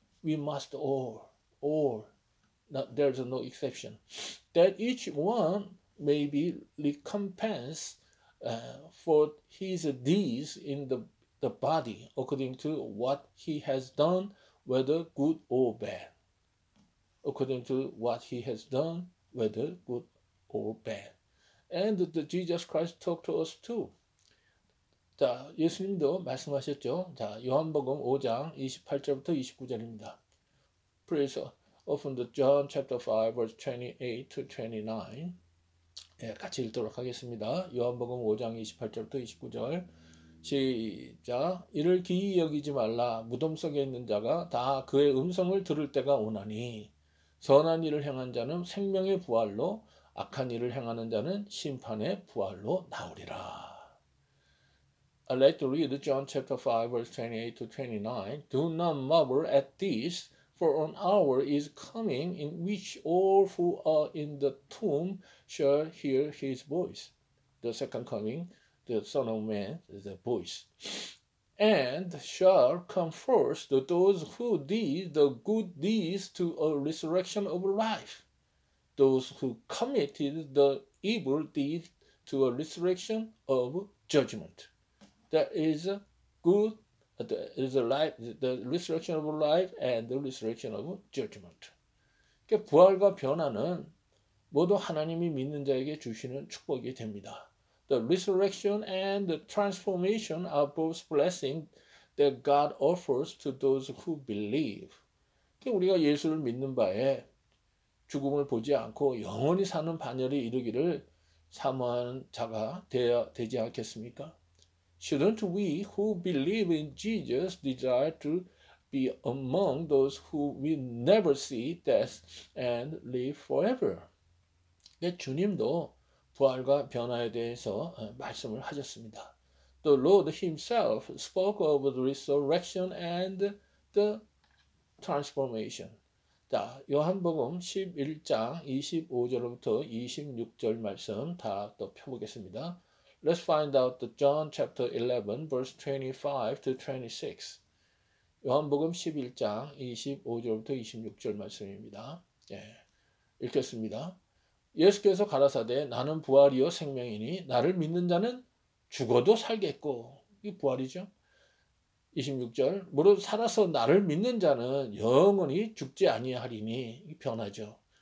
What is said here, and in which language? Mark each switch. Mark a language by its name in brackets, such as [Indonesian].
[English] We must all, not, there's no exception, that each one may be recompensed for his deeds in the body, according to what he has done, whether good or bad. According to what he has done, whether good or bad. And the Jesus Christ talked to us too. [Korean] 자, 예수님도 말씀하셨죠? 자, 요한복음 5장 28절부터 29절입니다. [English] Please open the John chapter 5, verse 28 to 29. [Korean] 예, 같이 읽도록 하겠습니다. 요한복음 5장 28절부터 29절. 시작. 이를 기이 여기지 말라. 무덤 속에 있는 자가 다 그의 음성을 들을 때가 오나니, 선한 일을 행한 자는 생명의 부활로, 악한 일을 행하는 자는 심판의 부활로 나오리라. [English] I'd like to read John chapter 5, verse 28 to 29. Do not marvel at this, for an hour is coming in which all who are in the tomb shall hear his voice, the second coming, the Son of Man, the voice, and shall come first those who did the good deeds to a resurrection of life, those who committed the evil deeds to a resurrection of judgment. That is good, that is life, the resurrection of life and the resurrection of judgment. [Korean] 부활과 변화는 모두 하나님이 믿는 자에게 주시는 축복이 됩니다. [English] The resurrection and the transformation are both blessings that God offers to those who believe. [Korean] 우리가 예수를 믿는 바에 죽음을 보지 않고 영원히 사는 반열에 이르기를 사모하는 자가 되지 않겠습니까? [English] Shouldn't we who believe in Jesus desire to be among those who will never see death and live forever? [Korean] 주님도 부활과 변화에 대해서 말씀을 하셨습니다. [English] The Lord Himself spoke of the resurrection and the transformation. [Korean] 자, 요한복음 11장 25절부터 26절 말씀 다또 펴보겠습니다. [English] Let's find out the John chapter 11, verse 25 to 26. [Korean] 요한복음 11장 25절부터 26절 말씀입니다. 예, 읽겠습니다. 예수께서 가라사대, 나는 부활이요 생명이니 나를 믿는 자는 죽어도 살겠고. 이게 부활이죠. 26절, 무릇 살아서 나를 믿는 자는 영원히 죽지 아니하리니 변하죠.